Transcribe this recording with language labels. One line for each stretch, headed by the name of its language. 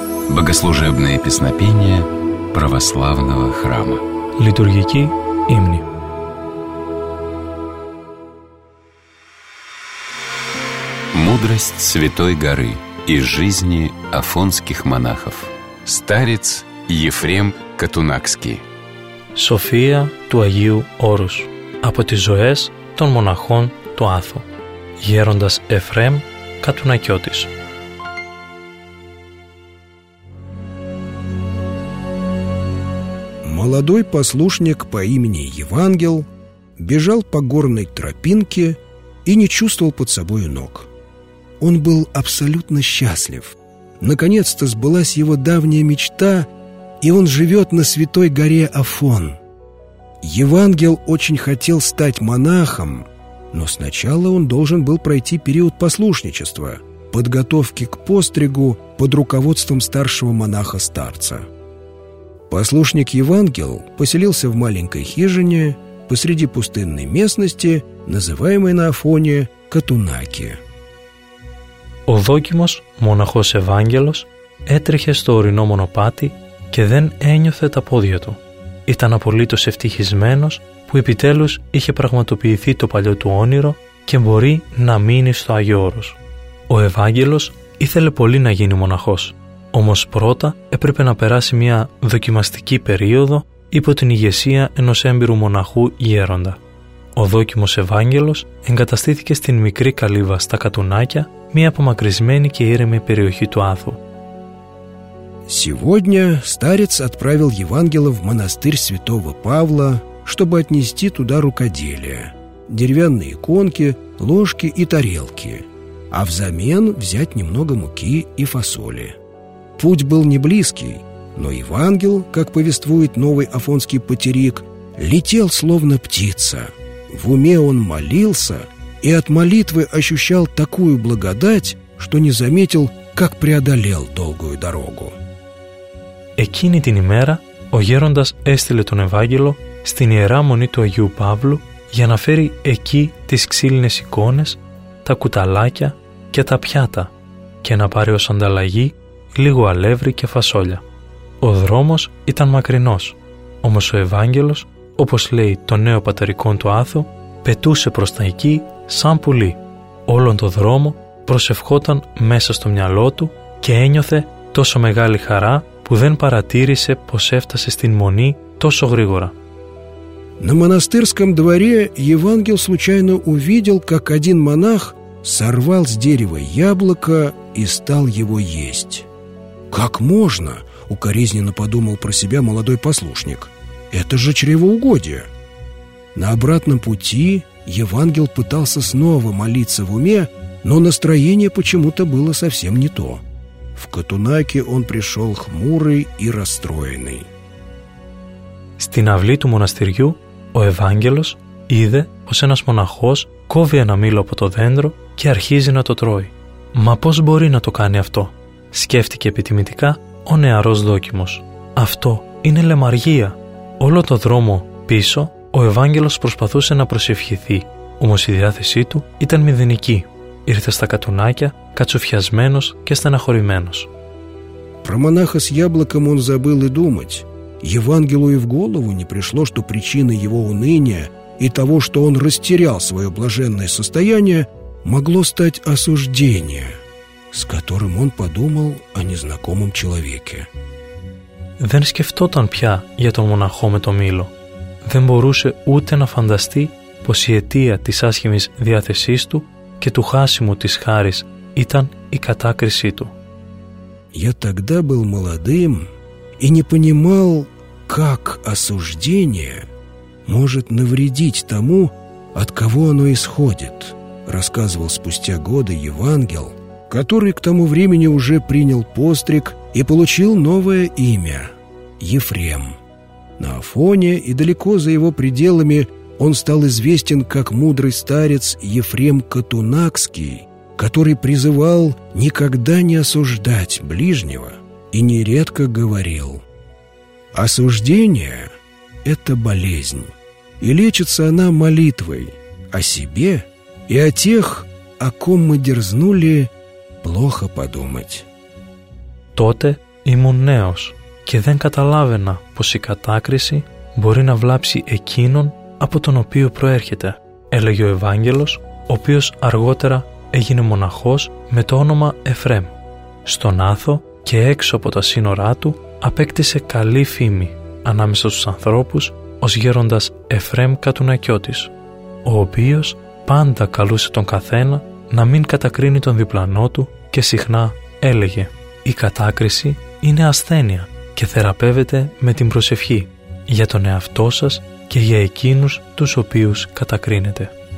Russian: Богослужебное песнопение православного храма.
Greek: Литургики имни.
Russian: Мудрость Святой Горы и жизни афонских монахов. Старец Ефрем Катунакский.
Greek: София του Αγίου Όρους. Από τις ζωές των μοναχών του Άθου. Γέροντας Εφρέμ Κατουνακιώτης.
Russian: Молодой послушник по имени Евангел бежал по горной тропинке и не чувствовал под собою ног. Он был абсолютно счастлив. Наконец-то сбылась его давняя мечта, и он живет на святой горе Афон. Евангел очень хотел стать монахом, но сначала он должен был пройти период послушничества, подготовки к постригу под руководством старшего монаха-старца. Послушник Евангел поселился в маленькой хижине посреди пустынной местности, называемой на Афоне Катунаки.
Greek: Ο δόκιμος μοναχός Ευάγγελος έτρεχε στο ορεινό μονοπάτι και δεν ένιωθε τα πόδια του. Ήταν απολύτως ευτυχισμένος που επιτέλους είχε πραγματοποιηθεί το παλιό του όνειρο και μπορεί να μείνει στο Άγιο Όρος. Ο Ευάγγελος ήθελε πολύ να γίνει μοναχός. Όμως πρώτα έπρεπε να περάσει μια δοκιμαστική περίοδο υπό την ηγεσία ενός έμπειρου μοναχού γέροντα. Ο δόκιμος Ευάγγελος εγκαταστήθηκε στην μικρή καλύβα στα Κατουνάκια, μια απομακρυσμένη και ήρεμη περιοχή του Άθου.
Russian: Сегодня старец отправил Евангела в монастырь Святого Павла, чтобы отнести туда рукоделие, деревянные иконки, ложки и тарелки, а взамен взять немного муки и фасоли. Путь был не близкий, но Евангел, как повествует новый афонский патерик, летел словно птица. В уме он молился и от молитвы ощущал такую благодать, что не заметил, как преодолел долгую дорогу.
Greek: Εκείνη την ημέρα ο γέροντας έστειλε τον Ευάγγελο στην Ιερά Μονή του Αγίου Παύλου για να φέρει εκεί τις ξύλινες εικόνες, τα κουταλάκια και τα πιάτα και να πάρει ως ανταλλαγή λίγο αλεύρι και φασόλια. Ο δρόμος ήταν μακρινός, όμως ο Ευάγγελος, όπως λέει το νέο πατερικό του Άθου, πετούσε προς τα εκεί σαν πουλί. Όλον το δρόμο προσευχόταν μέσα στο μυαλό του και ένιωθε τόσο μεγάλη χαρά που δεν παρατήρησε πως έφτασε στην μονή τόσο γρήγορα.
Russian: На монастырском дворе Евангел случайно увидел, как один монах сорвал с дерева яблоко и стал его есть. «Как можно?» — укоризненно подумал про себя молодой послушник. «Это же чревоугодие!» На обратном пути Евангел пытался снова молиться в уме, но настроение почему-то было совсем не то. В Катунаке он пришел хмурый и расстроенный.
Greek: Στην αυλή του μοναστηριού ο Ευάγγελος είδε πως ένας μοναχός κόβει ένα μήλο από το δέντρο και αρχίζει να το τρώει. «Μα πώς μπορεί να το κάνει αυτό?» σκέφτηκε επιτιμητικά ο νεαρός δόκιμος. «Αυτό είναι λεμαργία». Όλο το δρόμο πίσω, ο Ευάγγελος προσπαθούσε να προσευχηθεί, Όμως η διάθεσή του ήταν μηδενική. Ήρθε στα κατουνάκια, κατσουφιασμένος και στεναχωρημένος.
Russian: Про монаха с яблоком он забыл и думать. Евангелу и в голову не пришло, что причиной его уныния и того, что он растерял свое блаженное состояние, могло стать осуждение, с которым он подумал о незнакомом человеке.
Greek: Δεν σκεφτόταν πια για τον μοναχό με το μήλο. Δεν μπορούσε ούτε να φανταστεί πως η αιτία της άσχημης διάθεσής του και του χάσιμου της χάρης ήταν η κατάκρισή του.
Russian: Я тогда был молодым и не понимал, как осуждение может навредить тому, от кого оно исходит, рассказывал спустя годы Евангел, который к тому времени уже принял постриг и получил новое имя – Ефрем. На Афоне и далеко за его пределами он стал известен как мудрый старец Ефрем Катунакский, который призывал никогда не осуждать ближнего и нередко говорил: «Осуждение – это болезнь, и лечится она молитвой о себе и о тех, о ком мы дерзнули плохо подумать».
Greek: Τότε ήμουν νέος και δεν καταλάβαινα πως η κατάκριση μπορεί να βλάψει εκείνον από τον οποίο προέρχεται, έλεγε ο Ευάγγελος, ο οποίος αργότερα έγινε μοναχός με το όνομα Εφρέμ. Στον Άθο και έξω από τα σύνορά του απέκτησε καλή φήμη ανάμεσα στους ανθρώπους ως γέροντας Εφρέμ Κατουνακιώτης, ο οποίος πάντα καλούσε τον καθένα να μην κατακρίνει τον διπλανό του και συχνά έλεγε: «Η κατάκριση είναι ασθένεια και θεραπεύεται με την προσευχή για τον εαυτό σας και για εκείνους τους οποίους κατακρίνετε».